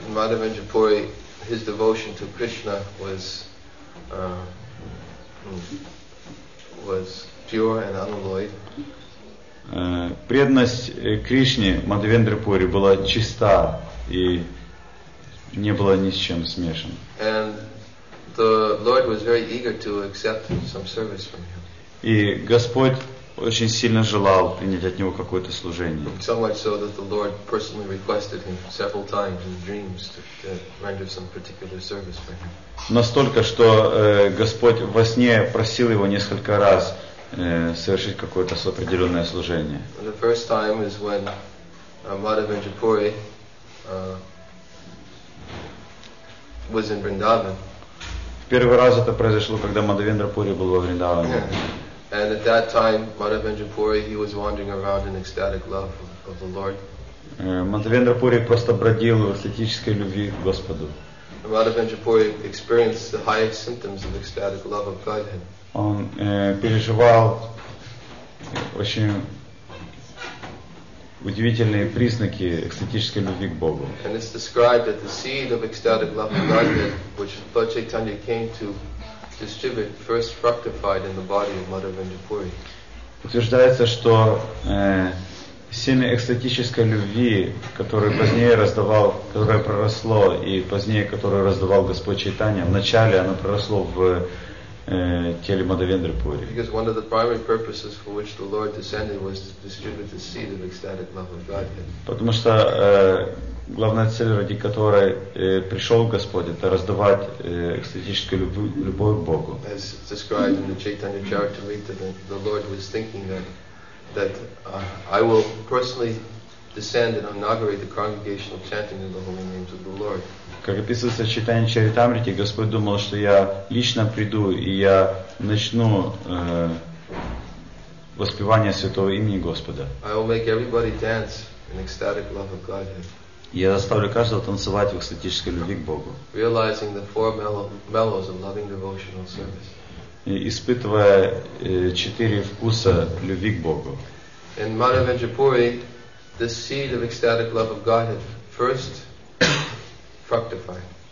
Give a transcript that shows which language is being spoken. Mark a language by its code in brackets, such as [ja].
[en] Madhavendrapuri, his devotion to Krishna was pure and unalloyed. [ru] Преданность Кришне Мадхавендрапури была чиста и не была ни с чем смешана. [en] And the Lord was very eager to accept some service from him. [ru] И Господь очень сильно желал принять от него какое-то служение. [en] So much so that the Lord personally requested him several times in dreams to render some particular service for him. [ru] Настолько, что Господь во сне просил его несколько раз совершить какое-то определенное служение. [en] The first time is when Madhavendrapuri was in Vrindavan. [ru] Первый раз это произошло, когда Мадхавендрапури был во Вриндаване. [en] And at that time, Madhavendrapuri, he was wandering around in ecstatic love of the Lord. [ru] Мадхавендрапури просто бродил в эстетической любви к Господу. [en] Madhavendrapuri experienced the highest symptoms of ecstatic love of Godhead. [ru] Он переживал очень удивительные признаки экстатической любви к Богу. [en] And it's described that the seed of ecstatic love for Godhead, which Lord Chaitanya came to distribute, first fructified in the body of Mother Vendipuri. [ru] Утверждается, что семя экстатической любви, которое позднее раздавал, которое проросло и позднее, которое раздавал Господь Чайтанья, вначале оно проросло в теле Мадхавендры Пури. [en] Because one of the primary purposes for which the Lord descended was to distribute the seed of ecstatic love of Godhead. [ru] Потому что главная цель, ради которой пришел Господь, это раздавать экстатическую любовь к Богу. [en] As described in the Chaitanya Charitamrita, the Lord was thinking that I will personally descend and inaugurate the congregational chanting of the holy names of the Lord. [ru] Как описывается в Чайтанья Чаритамрите, Господь думал, что я лично приду и я начну воспевание святого имени Господа. [en] I will make everybody dance in ecstatic love of Godhead. [ru] Я заставлю каждого танцевать в экстатической любви к Богу. [en] Realizing the four mellows of loving devotional service. [ru] Испытывая четыре вкуса любви к Богу. [en] In Mother Vendipuri, the seed of ecstatic love of God had first fructified.